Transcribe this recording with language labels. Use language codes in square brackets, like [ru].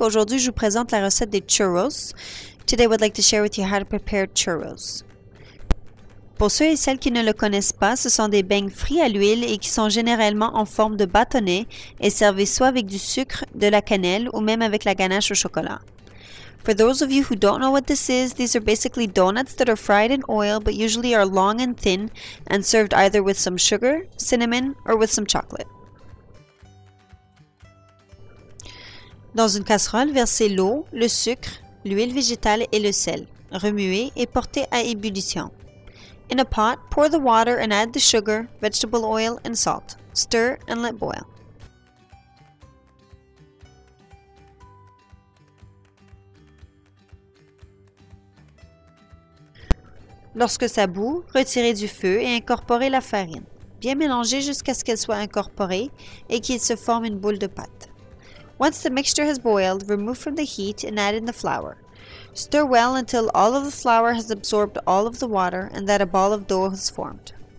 [fr] Aujourd'hui, je vous présente la recette des churros. [en] Today, I would like to share with you how to prepare churros. [fr] Pour ceux et celles qui ne le connaissent pas, ce sont des beignes frits à l'huile et qui sont généralement en forme de bâtonnet et servis soit avec du sucre, de la cannelle ou même avec la ganache au chocolat. [en] For those of you who don't know what this is, these are basically donuts that are fried in oil but usually are long and thin and served either with some sugar, cinnamon or with some chocolate. [fr] Dans une casserole, versez l'eau, le sucre, l'huile végétale et le sel. Remuez et portez à ébullition. [en] In a pot, pour the water and add the sugar, vegetable oil and salt. Stir and let boil. [fr] Lorsque ça bout, retirez du feu et incorporez la farine. Bien mélangez jusqu'à ce qu'elle soit incorporée et qu'il se forme une boule de pâte. [en] Once the mixture has boiled, remove from the heat and add in the flour. Stir well until all of the flour has absorbed all of the water and that a ball of dough has formed.